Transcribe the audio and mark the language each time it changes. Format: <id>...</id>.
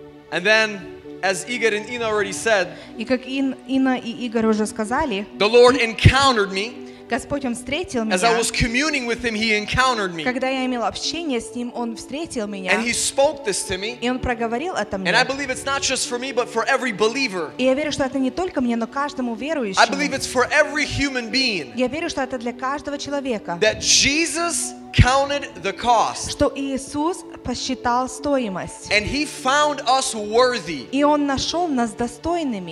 <en>And then, as Igor and Ina already said,</en> <ru>и как Ина и Игорь уже сказали,</ru> <en>the Lord encountered me.</en> <ru>Господь Он встретил меня.</ru> <en>As I was communing with Him, He encountered me.</en> <ru>Когда я имел общение с Ним, Он встретил меня.</ru> <en>And He spoke this to me.</en> <ru>И Он проговорил это мне.</ru> <en>And I believe it's not just for me, but for every believer.</en> <ru>И я верю, что это не только мне, но каждому верующему.</ru> <en>I believe it's for every human being.</en> <ru>Я верю, что это для каждого человека.</ru> <en>That Jesus counted the cost.</en> <ru>Что Иисус посчитал стоимость.</ru> <en>And He found us worthy.</en> <ru>И Он нашел нас достойными.</ru>